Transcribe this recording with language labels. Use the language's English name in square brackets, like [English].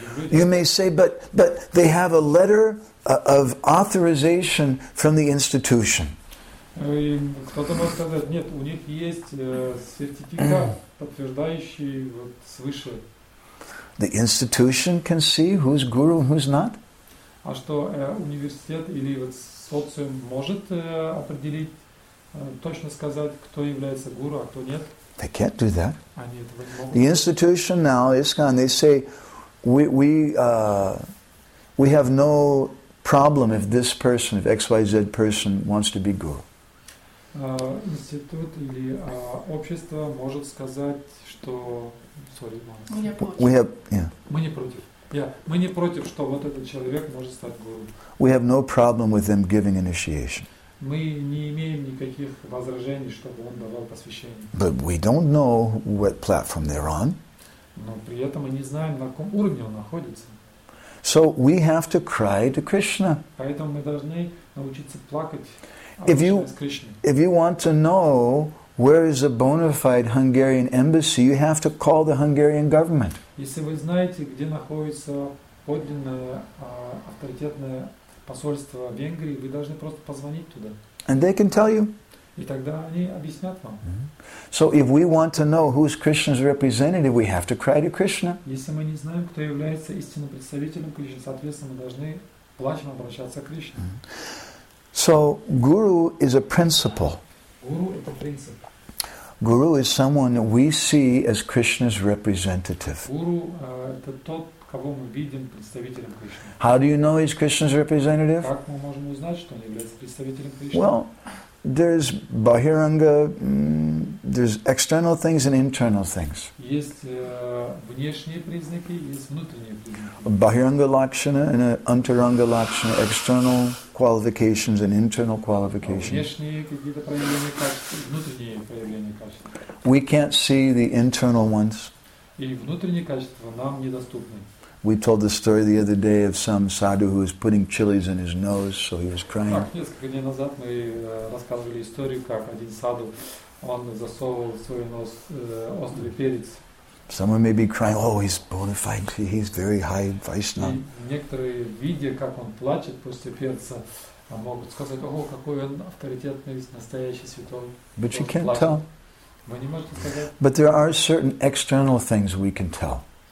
[English] You may say, but they have a letter of authorization from the institution. The institution can see who's guru and who's not. [Russian] А что университет или вот социум может определить, точно сказать, кто является гуру, а кто нет? [English] They can't do that. [Russian] Они этого не могут. [English] The institution now, ISKCON, they say, we have no problem if this person, if XYZ person wants to be guru. [Russian] Институт или общество может сказать, что... [English] Sorry, [Russian] мы не против. Мы не против. Мы не против, что вот этот человек может стать гуру. [English] We have no problem with them giving initiation. [Russian] Мы не имеем никаких возражений, чтобы он давал посвящение. [English] But we don't know what platform they're on. [Russian] Но при этом мы не знаем, на каком уровне он находится. [English] So we have to cry to Krishna. [Russian] Поэтому мы должны научиться плакать. [English] If you want to know where is a bona fide Hungarian embassy, you have to call the Hungarian government. [Russian] Если вы знаете, где находится подлинное авторитетное посольство Венгрии, вы должны просто позвонить туда. [English] And they can tell you. [Russian] И тогда они объяснят вам. Mm-hmm. [English] So if we want to know who is Krishna's representative, we have to cry to Krishna. [Russian] Если мы не знаем, кто является истинным представителем Кришны, соответственно, мы должны плачем обращаться к Кришне. Mm-hmm. [English] So, guru is a principle. Guru is a principle. Guru is someone we see as Krishna's representative. [Russian] Guru, это тот, кого мы видим представителем Кришны. [English] How do you know he's Krishna's representative? [Russian] Как мы можем узнать, что он является представителем Кришны? [English] Well, there's Bahiranga, there's external things and internal things. [Russian] Есть внешние признаки, есть внутренние признаки. [English] Bahiranga Lakshana and Antaranga Lakshana, external qualifications and internal qualifications. [Russian] Внешние какие-то проявления качества, внутренние проявления качества. [English] We can't see the internal ones. [Russian] И внутренние качества нам недоступны. [English] We told the story the other day of some sadhu who was putting chilies in his nose, so he was crying. [Russian] Несколько дней назад мы рассказывали историю, как один саду, он засовывал свой нос острый перец. [English] Someone may be crying, oh, he's bona fide, he's very high Vaishnava. [Russian] Некоторые, видя, как он плачет после перца, могут сказать, о, какой он авторитетный, настоящий святой. [English] But you can't tell. [Russian] Вы не можете сказать. [English] But there are certain external things we can tell.